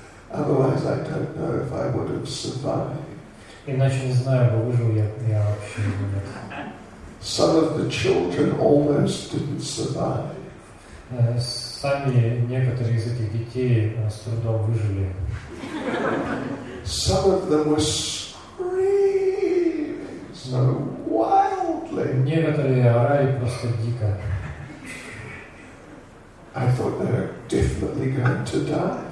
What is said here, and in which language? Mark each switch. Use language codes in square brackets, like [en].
[en] Otherwise, I don't know if I would have survived. [ru] Иначе не знаю, бы выжил я вообще или нет. [en] Some of the children almost didn't survive. [ru] Сами некоторые из этих детей с трудом выжили. [en] Some of them were screaming so wildly. [ru] Некоторые орали просто дико. [en] I thought they were definitely going to die.